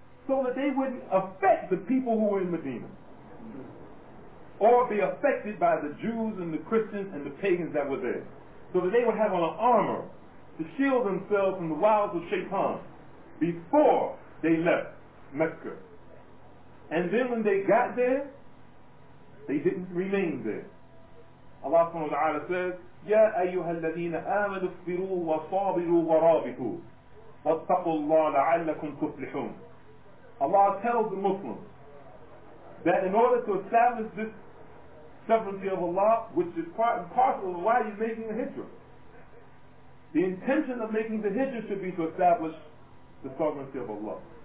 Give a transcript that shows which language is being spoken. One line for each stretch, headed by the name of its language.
English: So that they wouldn't affect the people who were in Medina, or be affected by the Jews and the Christians and the pagans that were there. So that they would have on armor to shield themselves from the wiles of Shaitan before they left Mecca. And then when they got there, they didn't remain there. Allah subhanahu wa ta'ala says,
Arabic: يَا أَيُّهَا الَّذِينَ آمَنُوا اصْبِرُوا وَصَابِرُوا وَرَابِطُوا وَاتَّقُوا اللَّهَ لَعَلَّكُمْ تُفْلِحُونَ.
English: Allah tells the Muslims that in order to establish this sovereignty of Allah, which is part and parcel of why he's making the hijrah, the intention of making the hijrah should be to establish the sovereignty of Allah.